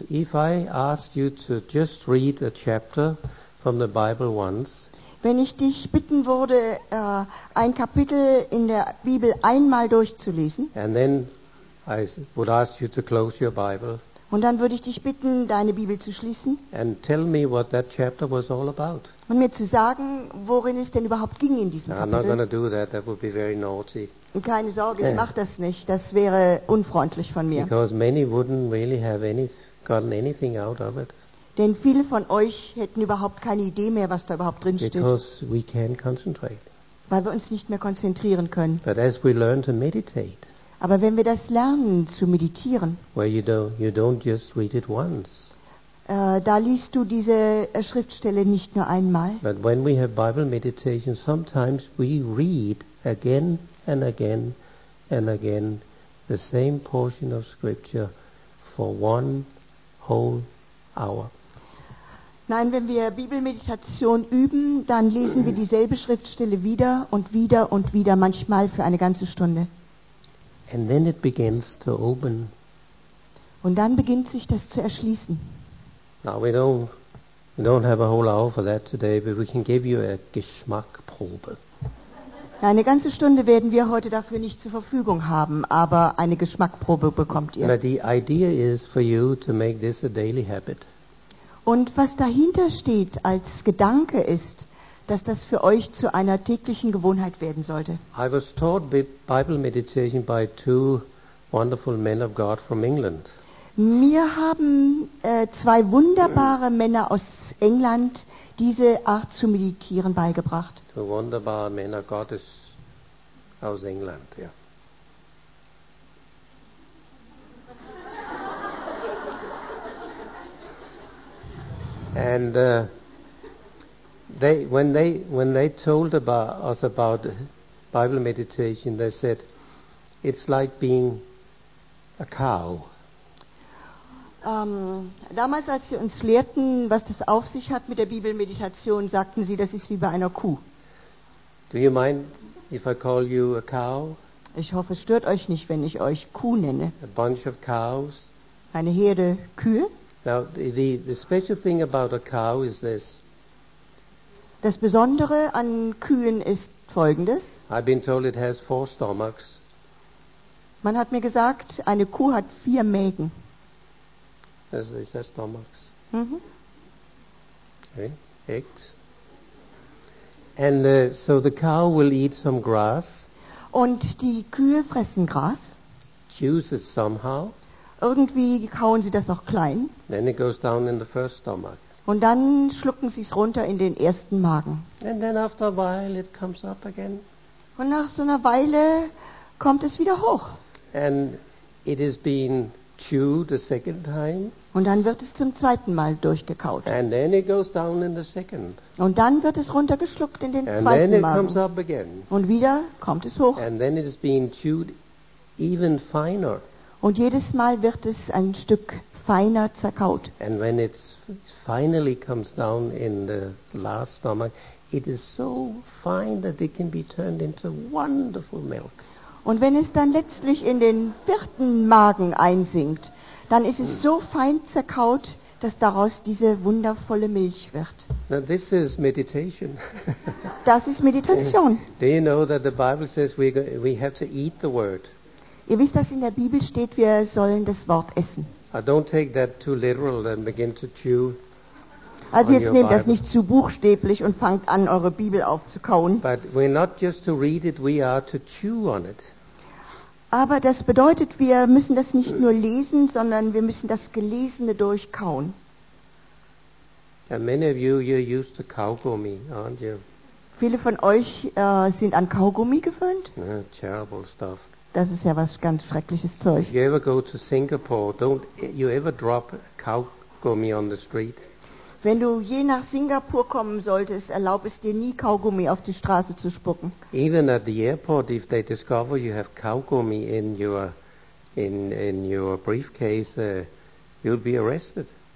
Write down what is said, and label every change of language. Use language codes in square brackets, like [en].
[en] If I asked you to just read a chapter from the Bible once. [de] Wenn ich dich bitten würde, ein Kapitel in der Bibel einmal durchzulesen. [en] And then I would ask you to close your Bible. [de] Und dann würde ich dich bitten, deine Bibel zu schließen. [en] And tell me what that chapter was all about. [de] Und mir zu sagen, worin es denn überhaupt ging in diesem Kapitel. [en] I'm not going to do that. That would be very naughty. [de] Und keine Sorge, ich mache das nicht. Das wäre unfreundlich von mir. [en] Because many wouldn't really have gotten anything out of it. [de] Denn viele von euch hätten überhaupt keine Idee mehr, was da überhaupt drin steht. [en] Because we can concentrate. [de] weil wir uns nicht mehr konzentrieren können. [en] But as we learn to meditate, [de] aber wenn wir das lernen zu meditieren, [en] where you don't just read it once, [de] da liest du diese Schriftstelle nicht nur einmal. [en] But when we have Bible meditation, sometimes we read again and again and again the same portion of scripture for one whole hour. [de] Nein, wenn wir Bibelmeditation üben, dann lesen wir dieselbe Schriftstelle wieder und wieder und wieder, manchmal für eine ganze Stunde. [en] And then it begins to open. [de] Und dann beginnt sich das zu erschließen. [en] Now we don't have a whole hour for that today, but we can give you a Geschmackprobe. [de] Eine ganze Stunde werden wir heute dafür nicht zur Verfügung haben, aber eine Geschmackprobe bekommt ihr. [en] But the idea is for you to make this a daily habit. [de] Und was dahinter steht als Gedanke ist, dass das für euch zu einer täglichen Gewohnheit werden sollte. [en] I was taught Bible meditation by two wonderful men of God from England. [de] Mir haben zwei wunderbare Männer aus England diese Art zu meditieren beigebracht. [en] Two wonderbare Männer Gottes aus England, ja. Yeah. [de] And when they told us about Bible meditation, they said it's like being a cow. [en] Damals, als sie uns lehrten, was das auf sich hat mit der Bibelmeditation, sagten sie, das ist wie bei einer Kuh. [de] Do you mind if I call you a cow? [en] Ich hoffe, es stört euch nicht, wenn ich euch Kuh nenne. [de] A bunch of cows. [en] Eine Herde Kühe. [de] Now the special thing about a cow is this. [en] Das Besondere an Kühen ist Folgendes. [de] I've been told it has four stomachs. [en] Man hat mir gesagt, eine Kuh hat vier Mägen. [de] Das ist der Stomachs. Mhm. Okay. Echt. [en] And so the cow will eat some grass. [de] Und die Kühe fressen Gras. [en] Juices somehow. [de] Irgendwie kauen sie das auch klein. [en] Then it goes down in the first stomach. [de] Und dann schlucken sie es runter in den ersten Magen. [en] And then after a while it comes up again. [de] Und nach so einer Weile kommt es wieder hoch. [en] And it has been chewed the second time. [de] Und dann wird es zum zweiten Mal durchgekaut. [en] And then it goes down in the second. [de] Und dann wird es runtergeschluckt in den [en] And [de] zweiten [en] then it [de] Magen. [en] Comes up again. [de] Und wieder kommt es hoch. [en] And then it has been chewed even finer. [de] Und jedes Mal wird es ein Stück feiner zerkaut. [en] And when it finally comes down in the last stomach, it is so fine that it can be turned into wonderful milk. [de] Und wenn es dann letztlich in den vierten Magen einsinkt, dann ist es so fein zerkaut, dass daraus diese wundervolle Milch wird. [en] Now this is meditation. [de] Das ist Meditation. [en] Do you know that the Bible says we have to eat the word? [de] Ihr wisst, dass in der Bibel steht, wir sollen das Wort essen. [en] Don't take that too literal and begin to chew. [de] Also jetzt nehmt das nicht zu buchstäblich und fangt an, eure Bibel aufzukauen. [en] But we're not just to read it, we are to chew on it. [de] Aber das bedeutet, wir müssen das nicht nur lesen, sondern wir müssen das Gelesene durchkauen. [en] And many of you, you're used to Kaugummi, aren't you? [de] Viele von euch sind an Kaugummi gewöhnt. [en] Terrible stuff. [de] Das ist ja was ganz schreckliches Zeug. [en] If you ever go to Singapore, don't you ever drop Kaugummi on the street? [de] Wenn du je nach Singapur kommen solltest, erlaub es dir nie, Kaugummi auf die Straße zu spucken. [en] Even at the airport, if they discover you have Kaugummi in your briefcase, you'll be arrested.